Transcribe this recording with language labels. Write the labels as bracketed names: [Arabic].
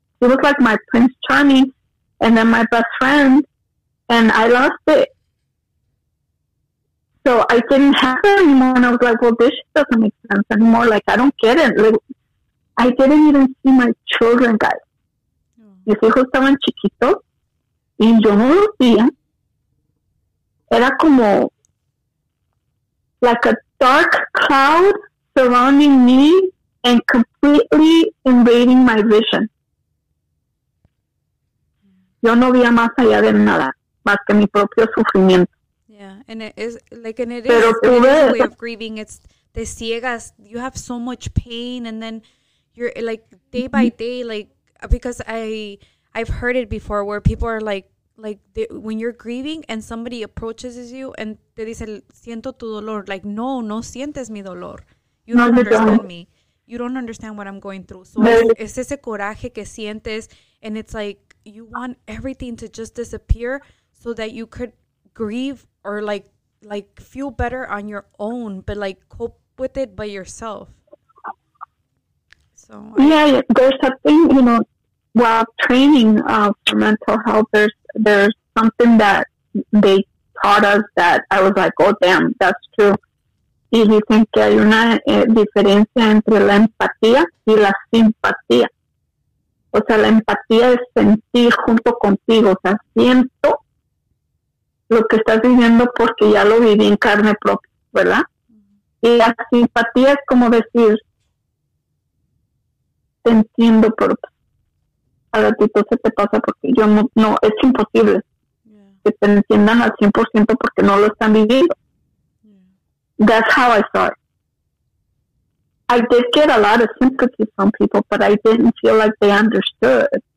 [English] He was like my Prince Charming, and then my best friend, and I lost it. So I didn't have it anymore, and I was like, well, this doesn't make sense anymore. Like, I don't get it. Like, I didn't even see my children, guys. [Spanish] Mis hijos estaban chiquitos, y yo no los vi. [English] Era como like a dark cloud surrounding me and completely invading my vision. [Spanish] Yo no veía más allá de nada, más que mi propio sufrimiento. [English] Yeah, and it is like, and it pero is the way of grieving. It's [Spanish] te ciegas. [English] You have so much pain, and then you're like day by day, like because I've heard it before where people are like. Like when you're grieving and somebody approaches you and [Spanish] te dice, siento tu dolor. Like, no, no sientes mi dolor. [English] You don't understand me. You don't understand what I'm going through. So [Spanish] es ese coraje que sientes. [English] And it's like you want everything to just disappear so that you could grieve or like feel better on your own. But like cope with it by yourself. So There's something, you know, while training for mental health, there's something that they taught us that I was like, oh, damn, that's true. [Spanish] Y dicen que hay una diferencia entre la empatía y la simpatía. O sea, la empatía es sentir junto contigo. O sea, siento lo que estás viviendo porque ya lo viví en carne propia, ¿verdad? Y la simpatía es como decir, te entiendo por a ratito se te pasa porque yo no es imposible que te entiendan al 100% porque no lo están viviendo. [English] That's how I thought. I did get a lot of sympathy from people, but I didn't feel like they understood.